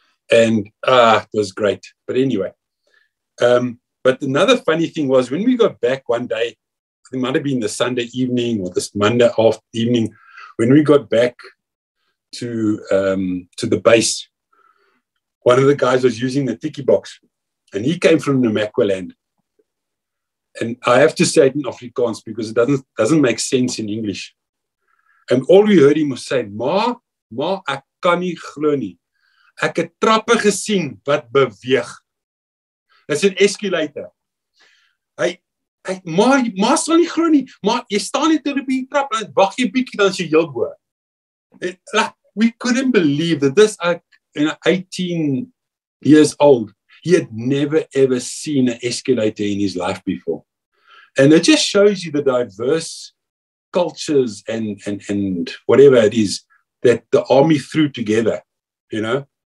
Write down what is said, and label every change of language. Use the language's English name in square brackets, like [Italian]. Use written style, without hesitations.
[English] And it was great. But anyway, but another funny thing was when we got back one day, it might have been the Sunday evening or this Monday evening, when we got back to the base, one of the guys was using the tiki box and he came from Namaqua land. And I have to say it in Afrikaans because it doesn't make sense in English. And all we heard him was saying, [Afrikaans] Ma, ek kan nie glo nie. Ek het trappe gesien wat beweeg. Dit's 'n escalator. Ma sal nie glo nie. Ma, jy staan net op die trap, wag jy 'n bietjie dan jy heel bo. [English] We couldn't believe that this in 18 years old, he had never ever seen an escalator in his life before. And it just shows you the diverse cultures and whatever it is that the army threw together, you know.